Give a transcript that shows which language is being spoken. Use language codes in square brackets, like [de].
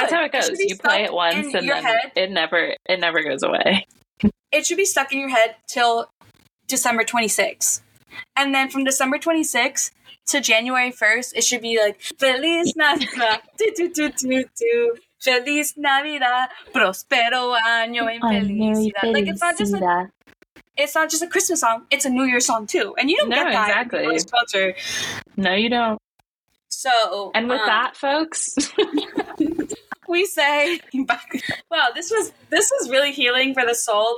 [en] That's how it goes. You play it once and then it never goes away. It should be stuck in your head till December 26th. And then from December 26th to January 1st, it should be like, [es] Feliz Navidad, [en] do, do, do, do, do. [es] Feliz Navidad, Prospero Año y Felicidad. [en] Like, it's not just a Christmas song, it's a New Year song too. And you don't get that exactly. In culture. No, you don't. So. And with that, folks. We say, wow, this was really healing for the soul.